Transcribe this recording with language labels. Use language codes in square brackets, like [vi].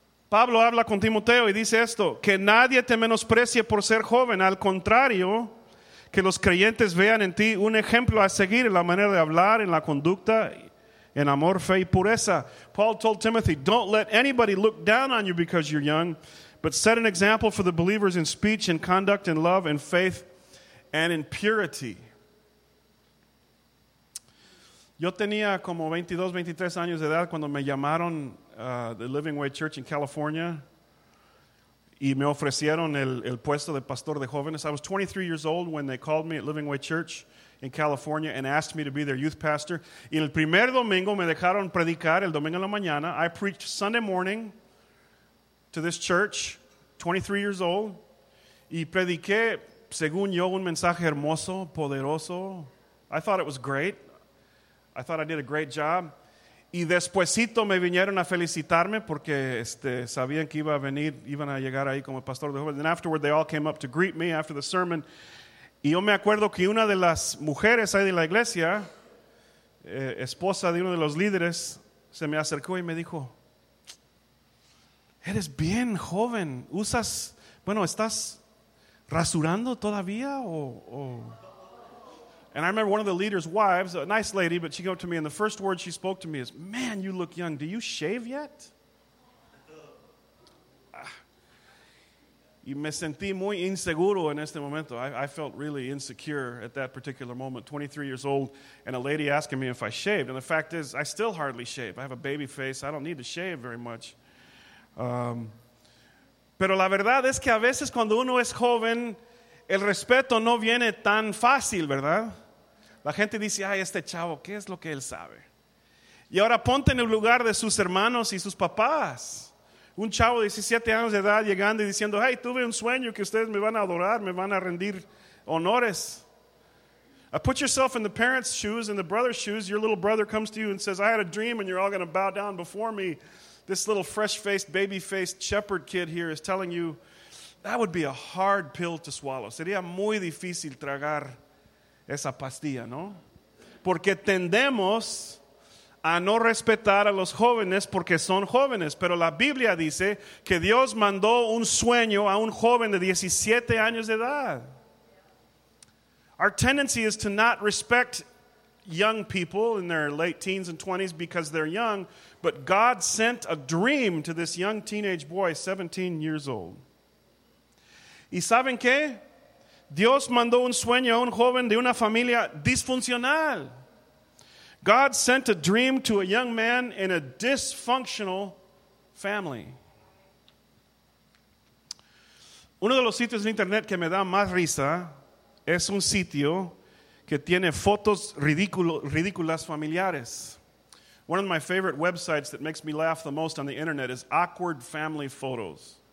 [es] Pablo habla con Timoteo y dice esto, que nadie te menosprecie por ser joven, al contrario, que los creyentes vean en ti un ejemplo a seguir en la manera de hablar, en la conducta, en amor, fe y pureza. [en] Paul told Timothy, don't let anybody look down on you because you're young, but set an example for the believers in speech and conduct and love and faith and in purity. [es] Yo tenía como 22, 23 años de edad cuando me llamaron the Living Way Church in California y me ofrecieron el puesto de pastor de jóvenes. [en] I was 23 years old when they called me at Living Way Church in California and asked me to be their youth pastor. [es] Y el primer domingo me dejaron predicar el domingo en la mañana. [en] I preached Sunday morning to this church, 23 years old, [es] y prediqué, según yo, un mensaje hermoso, poderoso. [en] I thought it was great. I thought I did a great job. [es] Y despuesito me vinieron a felicitarme porque sabían que iba a venir, iban a llegar ahí como pastor de jóvenes. [en] And afterward, they all came up to greet me after the sermon. [es] Y yo me acuerdo que una de las mujeres ahí de la iglesia, esposa de uno de los líderes, se me acercó y me dijo, eres bien joven, usas, bueno, ¿estás rasurando todavía o? [en] And I remember one of the leader's wives, a nice lady, but she came up to me, and the first word she spoke to me is, man, you look young. Do you shave yet? [es] Y me sentí muy inseguro en este momento. [en] I felt really insecure at that particular moment, 23 years old, and a lady asking me if I shaved. And the fact is, I still hardly shave. I have a baby face. I don't need to shave very much. [es] Pero la verdad es que a veces cuando uno es joven, el respeto no viene tan fácil, ¿verdad? La gente dice, ay, este chavo, ¿qué es lo que él sabe? Y ahora ponte en el lugar de sus hermanos y sus papás. Un chavo de 17 años de edad llegando y diciendo, hey, tuve un sueño que ustedes me van a adorar, me van a rendir honores. [en] I put yourself in the parents' shoes, in the brother's shoes. Your little brother comes to you and says, I had a dream and you're all going to bow down before me. This little fresh-faced, baby-faced shepherd kid here is telling you, that would be a hard pill to swallow. [es] Sería muy difícil tragar esa pastilla, ¿no? Porque tendemos a no respetar a los jóvenes porque son jóvenes. Pero la Biblia dice que Dios mandó un sueño a un joven de 17 años de edad. [en] Our tendency is to not respect young people in their late teens and 20s because they're young. But God sent a dream to this young teenage boy, 17 years old. [es] ¿Y saben qué? Dios mandó un sueño a un joven de una familia disfuncional. [en] God sent a dream to a young man in a dysfunctional family. [es] Uno de los sitios en internet que me da más risa es un sitio que tiene fotos ridículas familiares. [en] One of my favorite websites that makes me laugh the most on the internet is Awkward Family Photos.